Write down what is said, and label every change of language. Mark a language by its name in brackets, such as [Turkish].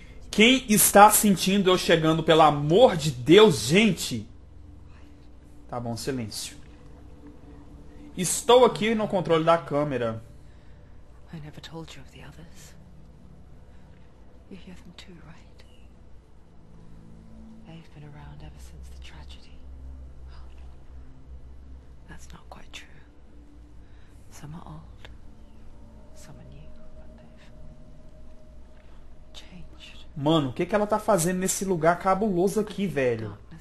[Portuguese] Quem está sentindo eu chegando, pelo amor de Deus, gente? Tá bom, silêncio. Estou aqui no controle da câmera. [English] I never told you of the others. You hear them too, right? They've been around ever since the tragedy. That's not quite true. Some are old, some are new, but they've changed. [Portuguese] Mano, o que ela tá fazendo nesse lugar cabuloso aqui, velho?